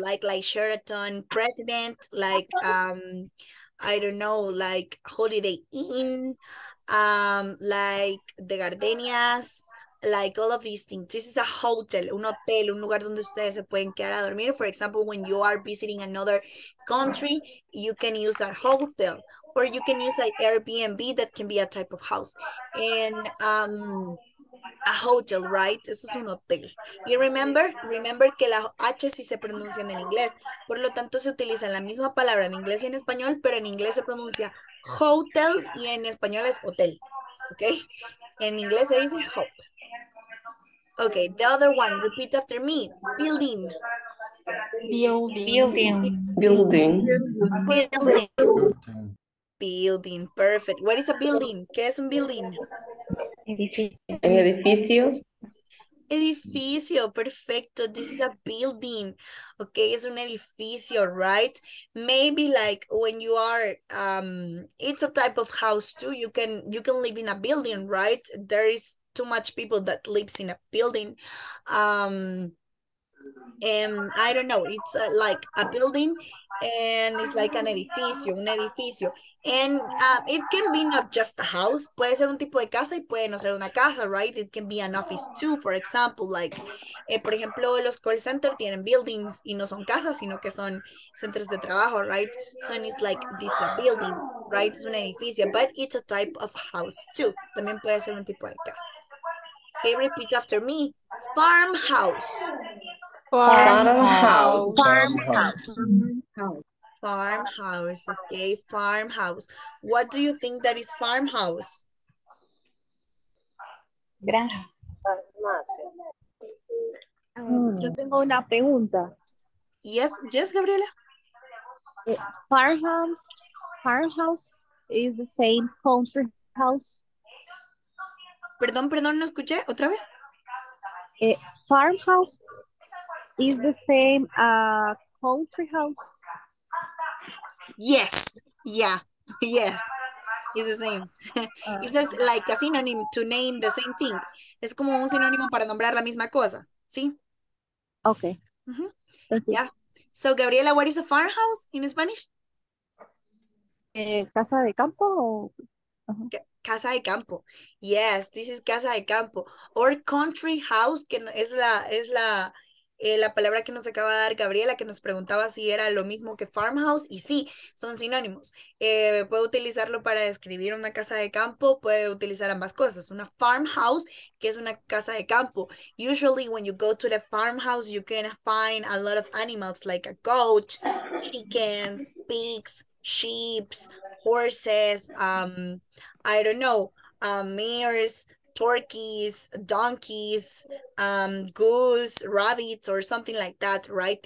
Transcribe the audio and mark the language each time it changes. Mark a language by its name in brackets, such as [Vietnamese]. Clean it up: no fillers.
[English] Like Sheraton, President, like, I don't know, like Holiday Inn, like the Gardenias. Like all of these things. This is a hotel, [Spanish] un hotel, un lugar donde ustedes se pueden quedar a dormir. [English] For example, when you are visiting another country, you can use a hotel. Or you can use an Airbnb, that can be a type of house. And a hotel, right? [Spanish] Eso es un hotel. Y remember que la H sí se pronuncia en inglés. Por lo tanto, se utiliza la misma palabra en inglés y en español, pero en inglés se pronuncia hotel y en español es hotel. [English] Okay? [Spanish] En inglés se dice hope. [English] Okay, the other one, repeat after me. Building. Building. Building. Building. Building. Perfect. What is a building? [Spanish] ¿Qué es un building? Edificio. Edificio. Edificio. Perfecto. [English] This is a building. [Spanish] Okay, es un edificio, right? [English] Maybe like when you are, it's a type of house too. You can live in a building, right? There is too much people that lives in a building. I don't know. It's like a building and it's like an edificio, un edificio. And it can be not just a house. [Spanish] Puede ser un tipo de casa y puede no ser una casa, right? [English] It can be an office too, for example. [Spanish] Like, por ejemplo, los call centers tienen buildings y no son casas, sino que son centros de trabajo, right? [English] So it's like this is a building, right? It's an edificio, but it's a type of house too. [Spanish] También puede ser un tipo de casa. [English] Okay, repeat after me. Farmhouse. Farmhouse. Farmhouse. Farmhouse. Farmhouse. Farmhouse. Okay, farmhouse. What do you think that is farmhouse? [Spanish] Granja. Yo tengo una pregunta. [English] Yes, Gabriela. Farmhouse is the same country house. [Spanish] Perdón, no escuché. ¿Otra vez? [English] Farmhouse is the same country house. Yes. Yeah. Yes. It's the same. It's like a synonym to name the same thing. [Spanish] Es como un sinónimo para nombrar la misma cosa. ¿Sí? [English] Okay. Mm-hmm. Yeah. So, Gabriela, what is a farmhouse in Spanish? [Spanish] Casa de campo o... Casa de campo. Yes, this is casa de campo. Or country house, que es la palabra que nos acaba de dar Gabriela, que nos preguntaba si era lo mismo que farmhouse. Y sí, son sinónimos. Puede utilizarlo para describir una casa de campo, puede utilizar ambas cosas. Una farmhouse, que es una casa de campo. [English] Usually when you go to the farmhouse, you can find a lot of animals like a goat, chickens, pigs, sheep, horses, I don't know, mares, turkeys, donkeys, goose, rabbits, or something like that, right?